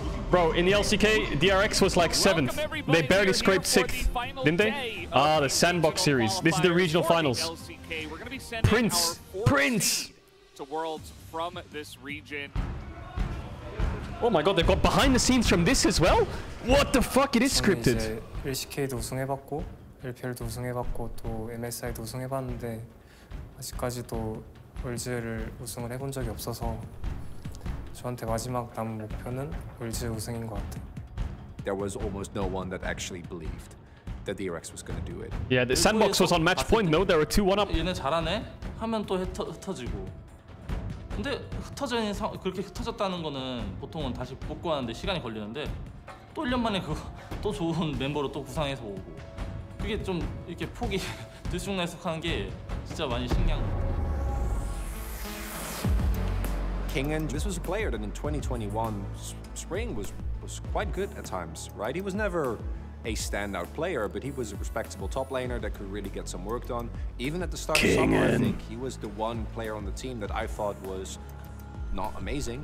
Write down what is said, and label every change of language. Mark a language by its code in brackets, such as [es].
[en] Bro, in the LCK, DRX was like 7th. They barely scraped 6th, didn't they? Ah, the sandbox series. This is the regional finals. Prince! To worlds from this region. Oh my god, they've got behind the scenes from this as well? What the fuck? It is scripted. [ko] LCK도 우승해봤고, LPL도 우승해봤고, 또 MSI도 우승해봤는데 아직까지도 월즈를 우승을 해본 적이 없어서 저한테 마지막 남은 목표는 월즈 우승인 것 같아. [en] There was almost no one that actually believed that the DRX was going to do it. Yeah, the sandbox was on match point. No, there were 2-1 up. [ko] 얘네 잘하네. 하면 또 흩어지고. 근데 흩어져 있는 그렇게 흩어졌다는 거는 보통은 다시 복구하는데 시간이 걸리는데 또 1년 만에 그 또 좋은 멤버로 또 구상해서 오고. 그게 좀 이렇게 폭이 들쑥날쑥한 게 진짜 많이 신기한 거 같아. [en] King, and this was a player that in 2021 spring was quite good at times, right? He was never a standout player, but he was a respectable top laner that could really get some work done. Even at the start of summer, I think he was the one player on the team that I thought was not amazing.